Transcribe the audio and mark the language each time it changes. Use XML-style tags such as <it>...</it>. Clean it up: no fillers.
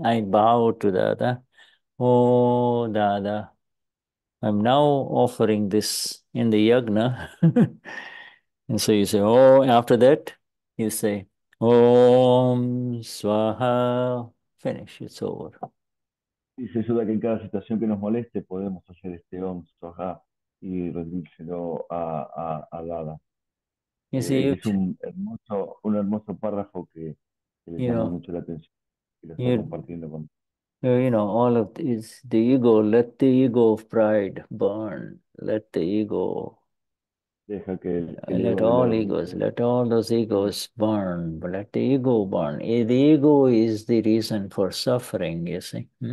<en>I bow to Dada. Oh Dada, I'm now offering this in the yagna. And so you say, oh, after that, you say, Om Swaha. Finish, it's over.</en> <es>Dice Suda que en cada situación que nos moleste podemos hacer este Om Swaha y rendírselo a Dada.</es> <en>You see,</en> <es>es un hermoso párrafo que le llama mucho la atención y lo está compartiendo con.</es> <en>You know, all of this, the ego, let the ego of pride burn. Let the ego.</en> <es>Deja que el</es> <en>ego, let all egos, let all those egos burn. But let the ego burn. The ego is the reason for suffering, you see.</en>